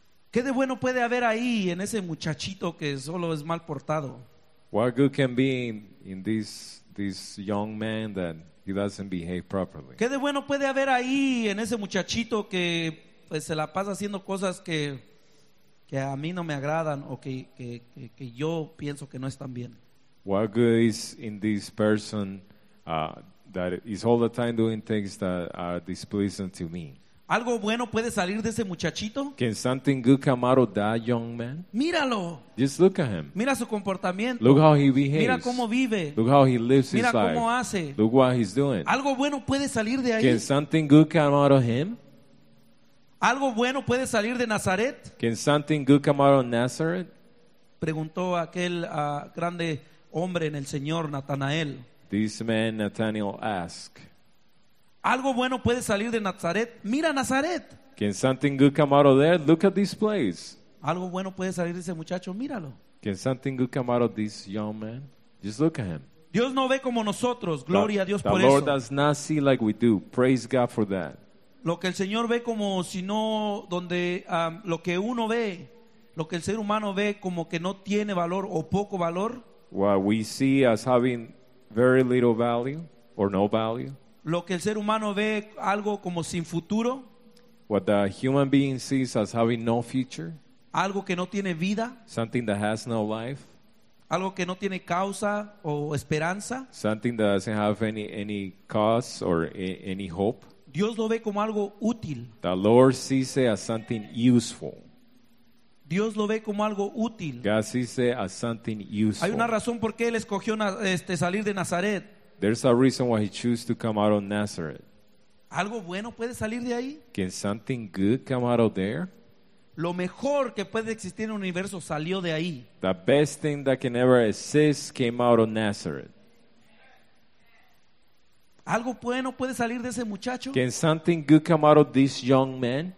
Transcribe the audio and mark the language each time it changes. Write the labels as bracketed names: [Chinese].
[Spanish] ¿Qué de bueno puede haber ahí en ese muchachito que solo es mal portado? [English] What good can be in this young man that he doesn't behave properly? [Spanish] ¿Qué de bueno puede haber ahí en ese muchachito que pues se la pasa haciendo cosas que a mí no me agradan o que yo pienso que no están bien? [English] What good is in this person that is all the time doing things that are displeasing to me? [Spanish] ¿Algo bueno puede salir de ese muchachito? [English] Can something good come out of that young man? [Spanish] Míralo. [English] Just look at him. [Spanish] Mira su comportamiento. [English] Look how he behaves. [Spanish] Mira cómo vive. [English] Look how he lives [Spanish] Mira [English] his life. [Spanish] Mira cómo hace. [English] Look what he's doing. [Spanish] ¿Algo bueno puede salir de ahí? [English] Can something good come out of him? [Spanish] ¿Algo bueno puede salir de Nazaret? [English] Can something good come out of Nazareth? [Spanish] Preguntó aquel grande hombre en el Señor, Natanael. [English] This man Nathaniel asked. [Spanish] Algo bueno puede salir de Nazaret. Mira Nazaret. [English] Can something good come out of there? Look at this place. [Spanish] Algo bueno puede salir de ese muchacho. Míralo. [English] Can something good come out of this young man? Just look at him. [Spanish] Dios no ve como nosotros. Gloria a Dios por eso. [English] The Lord does not see like we do. Praise God for that. [Spanish] Lo que el Señor ve como si no donde lo que uno ve, lo que el ser humano ve como que no tiene valor o poco valor. [English] What we see as having very little value or no value. [Spanish] Lo que el ser humano ve algo como sin futuro. [English] What the human being sees as having no future. [Spanish] Algo que no tiene vida. [English] Something that has no life. [Spanish] Algo que no tiene causa o esperanza. [English] Something that doesn't have any cause or any hope. [Spanish] Dios lo ve como algo útil. [English] The Lord sees it as something useful. [Spanish] Dios lo ve como algo útil. [English] God sees it as something useful. [Spanish] Hay una razón por qué él escogió salir de Nazaret. [English] There's a reason why he chose to come out of Nazareth. [Spanish] ¿Algo bueno puede salir de ahí? [English] Can something good come out of there? [Spanish] Lo mejor que puede existir en el universo salió de ahí. [English] The best thing that can ever exist came out of Nazareth. [Spanish] ¿Algo bueno puede salir de ese muchacho? [English] Can something good come out of this young man?